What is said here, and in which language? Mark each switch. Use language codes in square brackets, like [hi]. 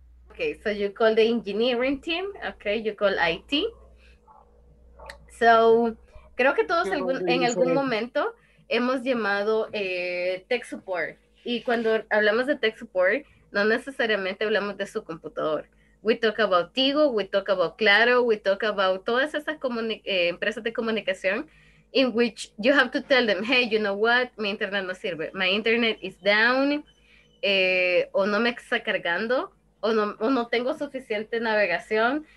[en] Okay, so you call the engineering team. Okay, you call IT. [es] So, creo que todos en algún momento hemos llamado tech support. Y cuando hablamos de tech support, no necesariamente hablamos de su computador. [en] We talk about Tigo, we talk about Claro, we talk about [es] todas esas empresas de comunicación [en] in which you have to tell them, hey, you know what, [es] mi internet no sirve. [en] My internet is down, [es] o no me está cargando, o no tengo suficiente navegación.